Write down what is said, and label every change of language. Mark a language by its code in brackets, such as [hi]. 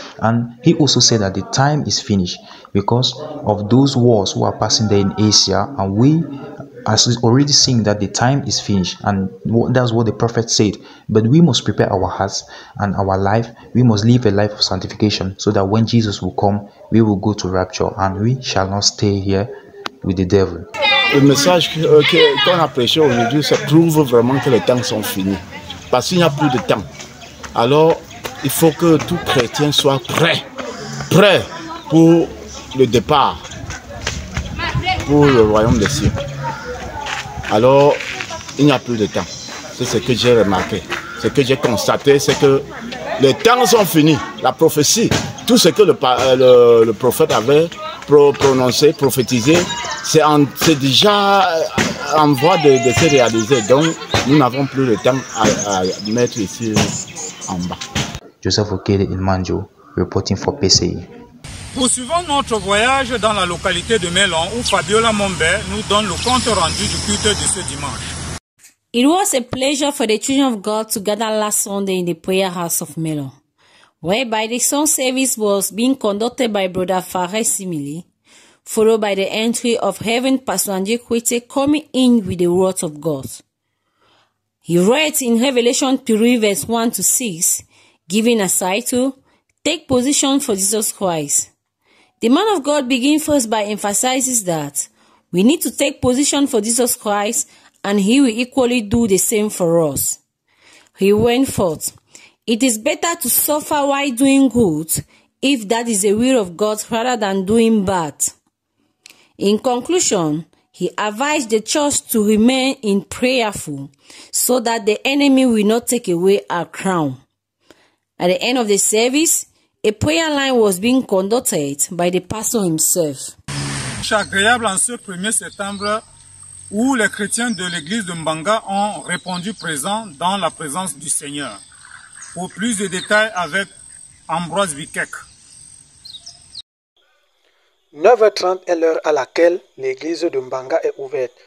[en] And he also said that the time is finished because of those wars who are passing there in Asia, and we are already seeing that the time is finished, and that's what the prophet said. But we must prepare our hearts and our life. We must live a life of sanctification, so that when Jesus will come, we will go to rapture and we shall not stay here with the devil. [fr] Le message qu'on a prêché aujourd'hui se prouve vraiment que les temps sont finis. Parce qu'il n'y a plus de temps. Alors, il faut que tout chrétien soit prêt. Prêt pour le départ. Pour le royaume des cieux. Alors, il n'y a plus de temps. C'est ce que j'ai remarqué. Ce que j'ai constaté, c'est que les temps sont finis. La prophétie, tout ce que le prophète avait prononcé, prophétisé, c'est déjà en voie de se réaliser. Donc, nous n'avons plus le temps à mettre ici en bas. [en] Joseph Okede Imanjo, reporting for PCI. [fr] Poursuivons notre voyage dans la localité de Melon, où Fabiola Mombert nous donne le compte rendu du culte de ce dimanche. [en] It was a pleasure for the children of God to gather last Sunday in the prayer house of Melon, whereby the song service was being conducted by Brother Farès Simili, followed by the entry of Reverend Pastor Andrew Kwete coming in with the word of God. He writes in Revelation 3 verse 1 to 6, giving a title, Take Position for Jesus Christ. The man of God begins first by emphasizing that we need to take position for Jesus Christ, and he will equally do the same for us. He went forth, it is better to suffer while doing good, if that is the will of God, rather than doing bad. In conclusion, he advised the church to remain in prayerful so that the enemy will not take away our crown. At the end of the service, a prayer line was being conducted by the pastor himself. [fr] C'est agréable en ce 1er septembre où les chrétiens de l'église de Mbanga ont répondu présent dans la présence du Seigneur. Pour plus de détails avec Ambroise Vikek. 9h30 est l'heure à laquelle l'église de Mbanga est ouverte.